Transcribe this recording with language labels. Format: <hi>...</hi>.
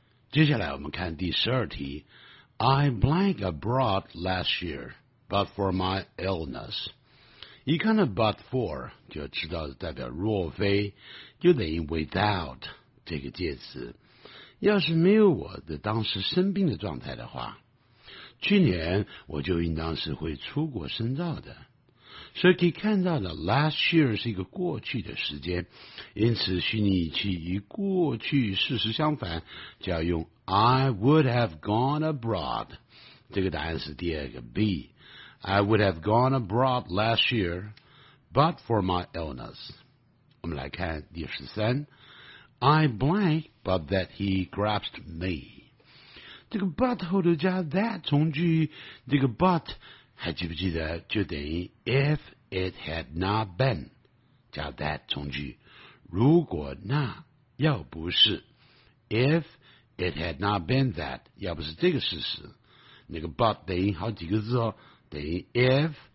<zh>接下来我们看第十二题。</zh> <en>I blank abroad last year but for my illness，</en> <zh>一看到 but for 就知道代表若非，就等于 without 这个介词，要是没有我的当时生病的状态的话，去年我就应当是会出国深造的。所以可以看到的 last year 是一个过去的时间，因此虚拟语气与过去事实相反就要用</zh> <en>I would have gone abroad，</en> <zh>这个答案是第二个 B。</zh> <en>I would have gone abroad last year but for my illness。</en> <zh>我们来看第十三。</zh> <en>I blank but that he grasped me，</en> <zh>这个 but 后头加 that 从句，这个 but 还记不记得就等于 if it had not been 加 that 从句，如果那要不是</zh> <en>if it had not been that</en> <zh>要不是这个事实，那个 but 等于好几个字哦，等于 if</zh>